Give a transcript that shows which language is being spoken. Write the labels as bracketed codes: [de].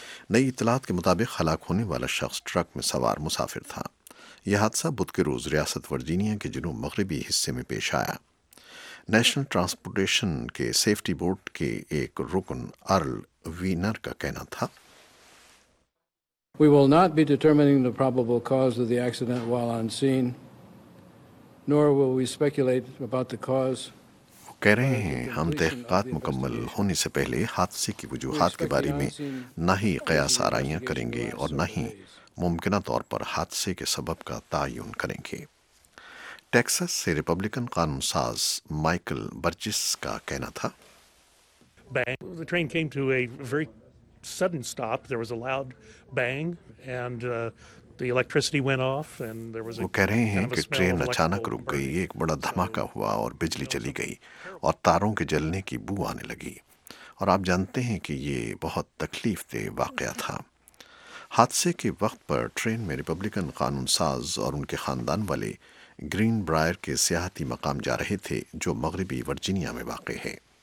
[ur] نئی اطلاعات کے مطابق ہلاک ہونے والا شخص ٹرک میں سوار مسافر تھا۔ یہ حادثہ بدھ کے روز ریاست ورجینیا کے جنوب مغربی حصے میں پیش آیا۔ نیشنل ٹرانسپورٹیشن کے سیفٹی بورڈ کے ایک رکن ارل وینر کا کہنا تھا [en] We will not be determining the probable cause of the accident while on scene, nor will we speculate about the cause. [ur] کہہ رہے ہیں ہم تحقیقات مکمل ہونے سے پہلے حادثے کی وجوہات کے بارے میں نہ ہی قیاس آرائیاں کریں گے اور نہ ہی ممکنہ طور پر حادثے کے سبب کا تعین کریں گے۔ ٹیکساس سے ریپبلکن قانون ساز مائیکل برجس کا کہنا تھا [en] Bang. The train came to a very sudden stop. There was a loud bang and the electricity went off and there was a [ur] وہ کہہ رہے ہیں کہ ٹرین اچانک رک گئی، ایک بڑا دھماکہ ہوا اور بجلی چلی گئی اور تاروں کے جلنے کی بو آنے لگی، اور آپ جانتے ہیں کہ یہ بہت تکلیف دہ واقعہ تھا۔ حادثے کے وقت پر ٹرین میں ریپبلکن قانون ساز اور ان کے خاندان والے گرین برائر کے سیاحتی مقام جا رہے تھے جو مغربی ورجینیا میں واقع ہے۔